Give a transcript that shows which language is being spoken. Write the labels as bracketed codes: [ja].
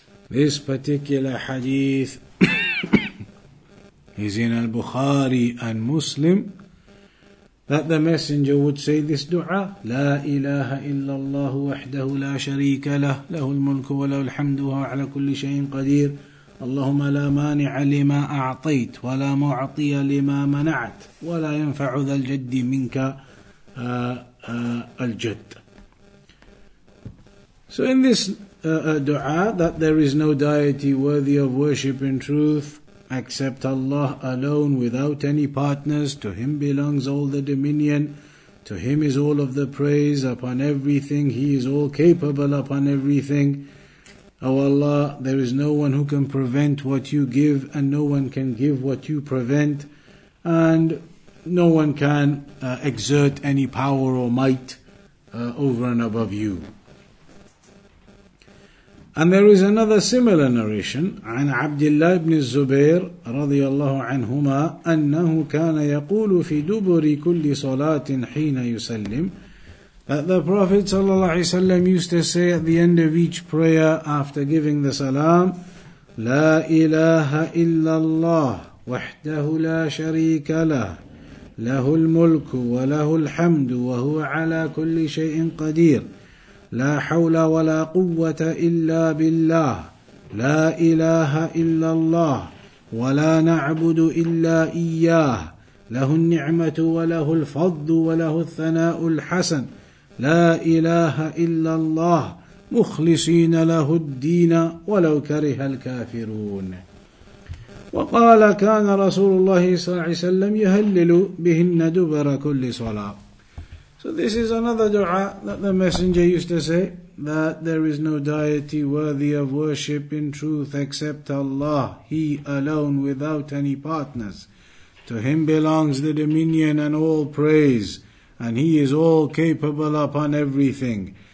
[en] This particular hadith is in Al-Bukhari and Muslim, that the Messenger would say this dua, [ar] لَا إِلَهَ إِلَّا اللَّهُ وَحْدَهُ لَا شَرِيكَ لَهُ لَهُ الْمُلْكُ وَلَهُ الْحَمْدُ وَهُوَ عَلَى كُلِّ شَيْءٍ قَدِيرٌ. اللهم لا مانع لما أعطيت ولا معطي لما منعت ولا ينفع ذا الجد منك الجد. [en] So in this dua, that there is no deity worthy of worship in truth except Allah alone, without any partners. To Him belongs all the dominion. To Him is all of the praise upon everything. He is all capable upon everything. O Allah, there is no one who can prevent what You give, and no one can give what You prevent, and no one can exert any power or might over and above You. And there is another similar narration, [ar] عن عبد الله بن الزبير رضي الله عنهما أنه كان يقول في دبر كل صلاة حين يسلم. [en] That the Prophet [ar] صلى الله عليه وسلم [en] used to say at the end of each prayer after giving the salam, [ar] لا إله إلا الله وحده لا شريك له له الملك وله الحمد وهو على كل شيء قدير لا حول ولا قوة إلا بالله لا إله إلا الله ولا نعبد إلا إياه له النعمة وله الفضل وله الثناء الحسن لا إله إلا الله مخلصين له الدين ولو كره الكافرون. وقال كان رسول الله صلى الله عليه وسلم يهلل بهن دبر كل صلاة. [en] So this is another dua that the messenger used to say, that there is no deity worthy of worship in truth except Allah, He alone without any partners. To Him belongs the dominion and all praise, and He is all capable upon everything.